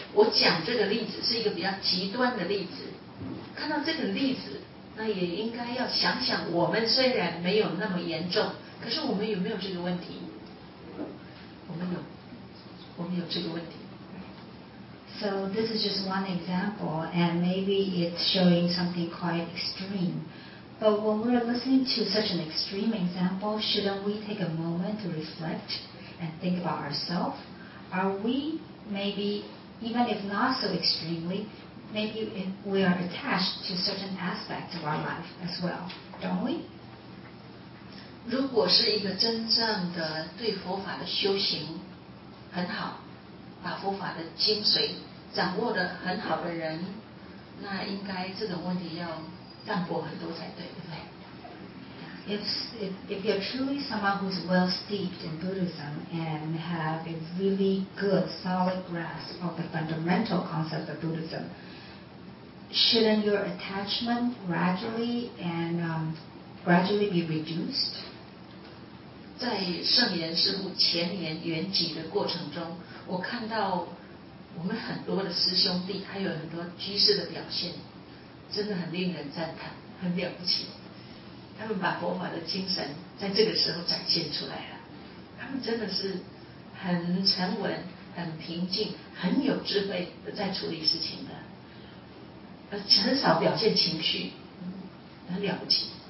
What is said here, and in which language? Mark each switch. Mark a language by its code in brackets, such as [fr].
[zh] 我讲这个例子是一个比较极端的例子。看到这个例子，那也应该要想想，我们虽然没有那么严重，可是我们有没有这个问题？我们有这个问题。 [en] So this is just one example, and maybe it's showing something quite extreme. But when we're listening to such an extreme example, shouldn't we take a moment to reflect and think about ourselves? Are we maybe, even if not so extremely, maybe we are attached to certain aspects of our life as well, don't we? [zh] 如果是一个真正的对佛法的修行很好，把佛法的精髓掌握得很好的人，那应该这种问题要淡薄很多才对，对不对？ [en] If you're truly someone who's well steeped in Buddhism and have a really good solid grasp of the fundamental concept of Buddhism, shouldn't your attachment gradually and gradually be reduced? [zh] 在圣严师父前年圆寂的过程中，我看到我们很多的师兄弟还有很多居士的表现，真的很令人赞叹，很了不起。他们把佛法的精神在这个时候展现出来了，他们真的是很沉稳、很平静、很有智慧的在处理事情的，很少表现情绪，很了不起。